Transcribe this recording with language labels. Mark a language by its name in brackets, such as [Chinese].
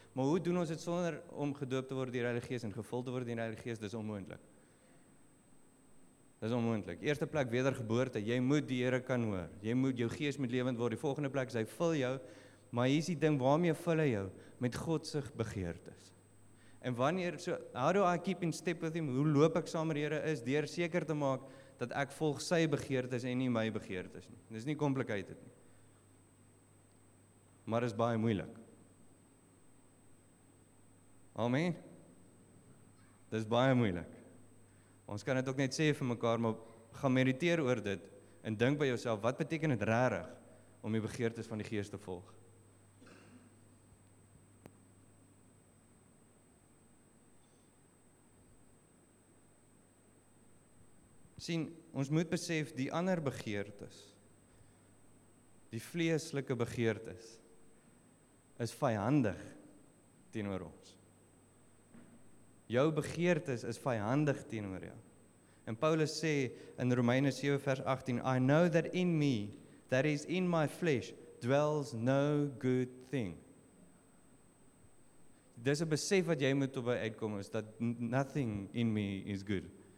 [Afrikaans] Maar hoe doen ons dit sonder om gedoop te word deur die Heilige Gees en gevul te word deur die Heilige Gees? Dis onmoontlik. Eerste plek, wedergeboorte, jy moet die Here kan hoor. Jy moet, jou gees moet lewend word. Die volgende plek is hy vul jou, maar hier is die ding, waarmee vul hy jou? Met God se begeertes. En wanneer, [English] so, how do I keep in step with him? [Afrikaans] Hoe loop ek saam met die Here is, deur seker te maak, dat ek volg sy begeertes en nie my begeertes nie. Dis nie complicated nie. Maar is baie moeilik. Amen. Dis baie moeilik. Ons kan dit ook net sê vir mekaar, maar gaan mediteer oor dit en dink by jouself, wat beteken dit regtig om die begeertes van die Gees te volg? Sien, ons moet besef die ander begeertes, die vleeslike begeertes, is vyandig teenoor ons. Jou begeertes is vyandig teenoor jou. En Paulus sê in Romeine 7 vers 18, [English] I know that in me, that is in my flesh, dwells no good thing. [Afrikaans] Dis 'n besef wat jy moet op uitkom is, dat [English] nothing in me is good.